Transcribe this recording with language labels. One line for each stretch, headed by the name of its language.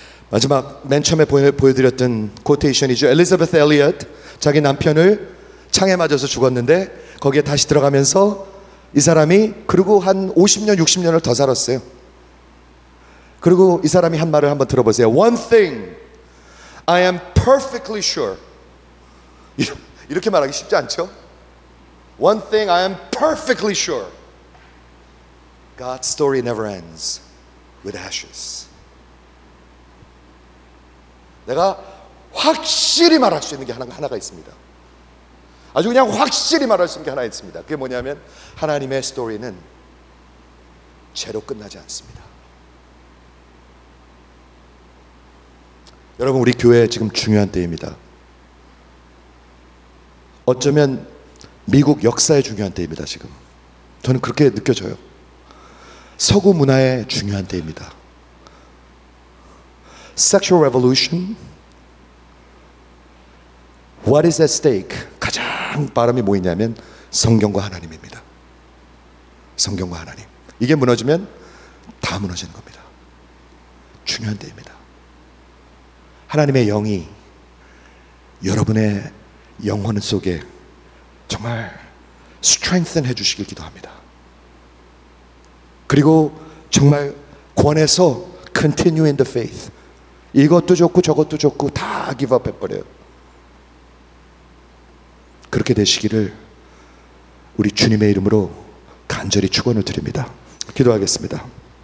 Korean: 마지막 맨 처음에 보여드렸던 코테이션이죠. 엘리자베스 엘리엇, 자기 남편을 창에 맞아서 죽었는데 거기에 다시 들어가면서 이 사람이 그리고 한 50년, 60년을 더 살았어요. 그리고 이 사람이 한 말을 한번 들어보세요.
English: One thing, I am perfectly sure.
Korean: 이렇게 말하기 쉽지 않죠?
English: One thing, I am perfectly sure. God's story never ends with ashes.
Korean: 내가 확실히 말할 수 있는 게 하나가 있습니다. 아주 그냥 확실히 말할 수 있는 게 하나 있습니다. 그게 뭐냐면 하나님의 스토리는 죄로 끝나지 않습니다. 여러분, 우리 교회 지금 중요한 때입니다. 어쩌면 미국 역사의 중요한 때입니다. 지금 저는 그렇게 느껴져요. 서구 문화의 중요한 때입니다.
English: Sexual revolution. What is at stake?
Korean: 가장 바람이 뭐였냐면 성경과 하나님입니다. 성경과 하나님. 이게 무너지면 다 무너지는 겁니다. 중요한 때입니다. 하나님의 영이 여러분의 영혼 속에 정말 strengthen 해주시길 기도합니다. 그리고 정말 권해서
English: continue in the faith.
Korean: 이것도 좋고 저것도 좋고 다 give up 해버려요. 그렇게 되시기를 우리 주님의 이름으로 간절히 축원을 드립니다. 기도하겠습니다.